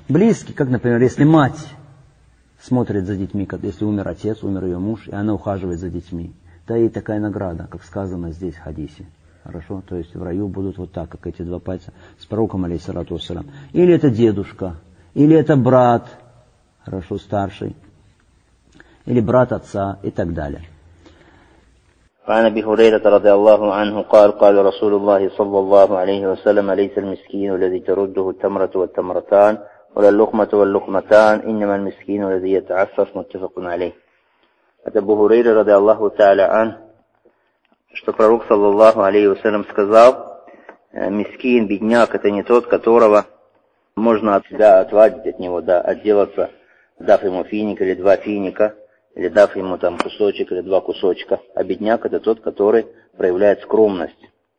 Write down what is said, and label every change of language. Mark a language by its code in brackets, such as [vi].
[ru] Близкий, как, например, если мать смотрит за детьми, если умер отец, умер ее муж, и она ухаживает за детьми, да, ей такая награда, как сказано здесь в хадисе. Хорошо, то есть в раю будут вот так, как эти два пальца с пророком, алейхиссалату вассалям. Или это дедушка, или это брат, хорошо, старший, или брат отца и так далее. [ar] عن أبي هريرة رضي الله عنه قال قال رسول الله صلى الله عليه وسلم ليس المسكين الذي ترده التمرة والتمرتان ولا اللقمة واللقمتان إنما المسكين الذي يتعفف متفق عليه. [ru] أبو هريرة [ar] رضي الله تعالى عنه [ru] что пророк [ar] صلى الله عليه وسلم [ru] сказал мискин бедняк это не тот которого можно от себя отвадить от него да отделаться дав ему финик или два финика или дав ему там кусочек или два кусочка, а бедняк это тот, который проявляет скромность.